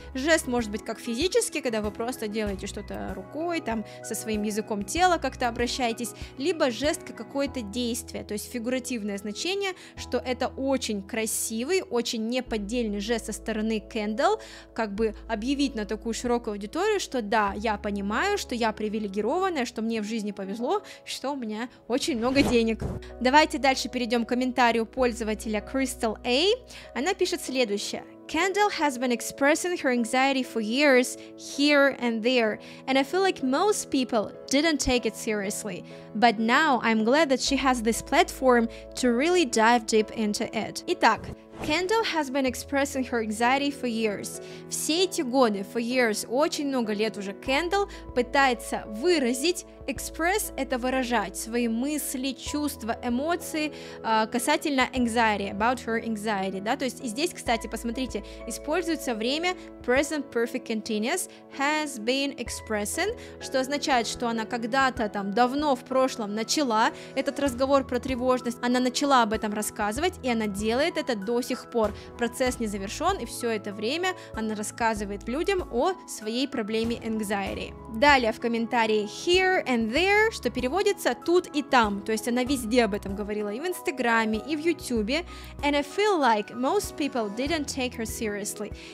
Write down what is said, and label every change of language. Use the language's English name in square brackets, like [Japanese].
[Russian] Жест может быть как физический, когда вы просто делаете что-то рукой, там, со своим языком тела как-то обращаетесь, либо жест как какое-то действие, то есть фигуративное значение, что это очень красивый, очень неподдельный жест со стороны Kendall, как бы объявить на такую широкую аудиторию, что да, я понимаю, что я привилегированная, что мне в жизни повезло, что у меня очень много денег. Давайте дальше перейдем к комментарию пользователя Crystal A. Она пишет следующее. [English] Kendall has been expressing her anxiety for years, here and there, and I feel like most people didn't take it seriously. But now I'm glad that she has this platform to really dive deep into it. Итак, Kendall has been expressing her anxiety for years. [Russian] Все эти годы, [English] for years, [Russian] очень много лет уже Kendall пытается выразить. Express — это выражать свои мысли, чувства, эмоции касательно anxiety, [English] about her anxiety, [Russian] да, то есть и здесь, кстати, посмотрите, кстати, используется время present perfect continuous [English] has been expressing, [Russian] что означает, что она когда-то там давно в прошлом начала этот разговор про тревожность, она начала об этом рассказывать, и она делает это до сих пор. Процесс не завершен, и все это время она рассказывает людям о своей проблеме anxiety. Далее в комментарии [English] here and there, [Russian] что переводится тут и там, то есть она везде об этом говорила, и в Инстаграме, и в Ютубе. [English] And I feel like most people didn't take her seriously.